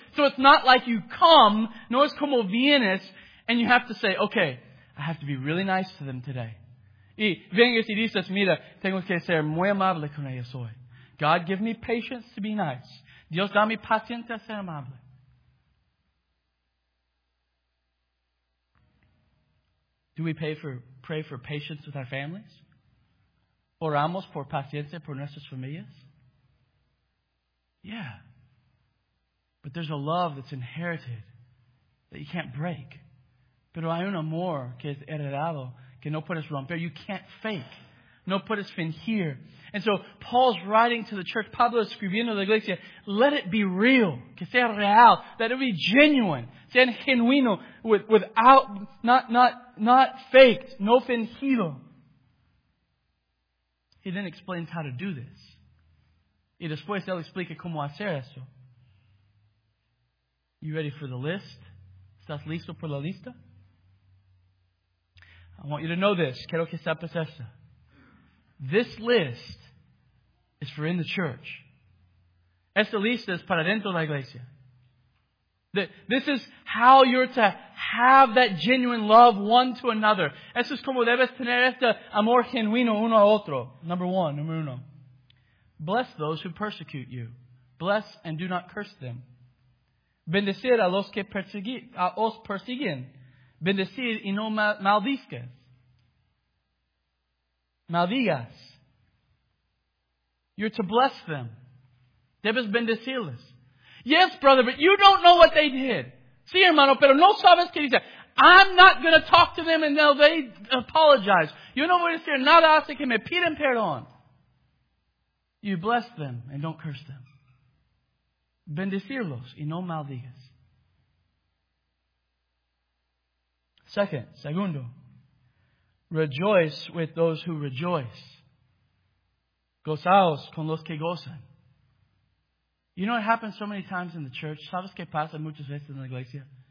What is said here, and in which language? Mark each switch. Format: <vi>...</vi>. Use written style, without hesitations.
<en>So it's not like you come,</en> <es>no es como vienes,</es> <en>and you have to say, okay, I have to be really nice to them today.</en> <es>Y vengas y dices, mira, tengo que ser muy amable con ellos hoy.</es> <en>God, give me patience to be nice.</en> <es>Dios, dame paciencia a ser amable.</es> <en>Do we pray for patience with our families?</en> <es>Oramos por paciencia por nuestras familias?</es> <en>Yeah. But there's a love that's inherited that you can't break. Pero hay un amor que es heredado que no puedes romper. You can't fake.</en> <es>No puedes fingir.</es> <en>And so Paul's writing to the church.</en> <es>Pablo escribiendo a la iglesia.</es> <en>Let it be real.</en> <es>Que sea real.</es> <en>Let it be genuine.</en> <es>Sean genuino.</es> <en>Without, not faked.</en> <es>No fingido.</es> <en>He then explains how to do this.</en> <es>Y después él explica cómo hacer esto.</es> <en>You ready for the list?</en> <es>¿Estás listo por la lista?</es> <en>I want you to know this.</en> <es>Quiero que sepas esto.</es> <en>This list is for in the church.</en> <es>Esta lista es para dentro de la iglesia.</es> <en>This is how you're to have that genuine love one to another.</en> <es>Esto es como debes tener este amor genuino uno a otro.</es> <en>Number one,</en> <es>número uno.</es> <en>Bless those who persecute you. Bless and do not curse them.</en> <es>Bendecir a los que os persiguen. Bendecir y no maldizcas. Maldigas.</es> <en>You're to bless them.</en> <es>Debes bendecirles.</es> <en>Yes, brother, but you don't know what they did.</en> <es>Sí, hermano, pero no sabes qué dice.</es> <en>I'm not going to talk to them and they apologize.</en> <es>Yo no voy a decir nada hasta que me piden perdón.</es> <en>You bless them and don't curse them.</en> <es>Bendecirlos y no maldigas.</es> <en>Segundo, rejoice with those who rejoice.</en> <es>Gozaos con los que gozan.</es> <en>You know what happens so many times in the church?</en> <es>¿Sabes qué pasa muchas veces en la iglesia?</es>